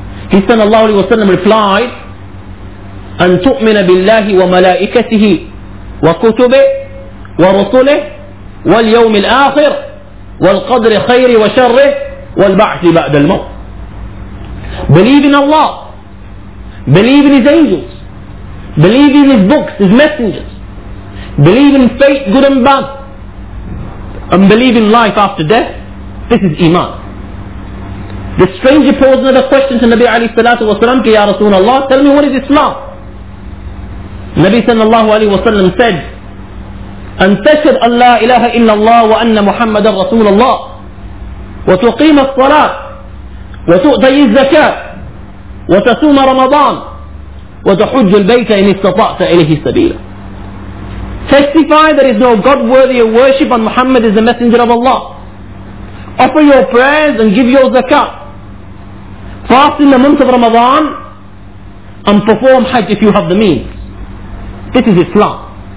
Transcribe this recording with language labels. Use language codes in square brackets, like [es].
[en] He sallallahu alayhi wa sallam replied, [ar] أن تؤمن بالله وملائكته وكتبه ورسله واليوم الآخر والقدر خير وشره والبعث بعد الموت. [en] Believe in Allah, believe in His angels, believe in His books, His messengers, believe in fate, good and bad, and believe in life after death. This is Iman. The stranger posed another question to Nabi alayhi salatu wa salam, Ya Rasulullah, tell me, what is Islam? Nabi sallallahu alayhi wa sallam said, [ar] أن تشهد أن لا إله إلا الله وأن محمد رسول الله وتقيم الصلاة وتؤتي الزكاة وتصوم رمضان وتحج البيت إن استطعت إليه سبيلا. [en] Testify there is no God worthy of worship and Muhammad is the messenger of Allah. Offer your prayers and give your zakat. Fast in the month of Ramadan and perform Hajj if you have the means. This is Islam.